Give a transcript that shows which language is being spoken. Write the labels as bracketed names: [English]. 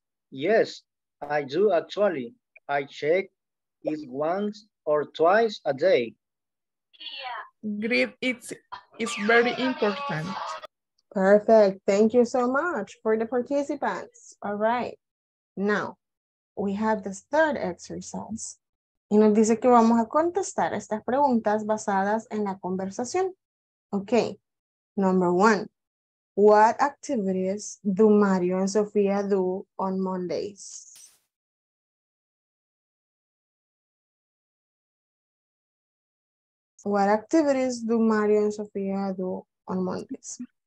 [English] Yes, I do actually. I check it once or twice a day. Great, it's very important. Perfect. Thank you so much for the participants. All right. Now, we have this third exercise. [Spanish] Y nos dice que vamos a contestar estas preguntas basadas en la conversación. [English] Okay, number one. What activities do Mario and Sofía do on Mondays? What activities do Mario and Sofía do on Mondays?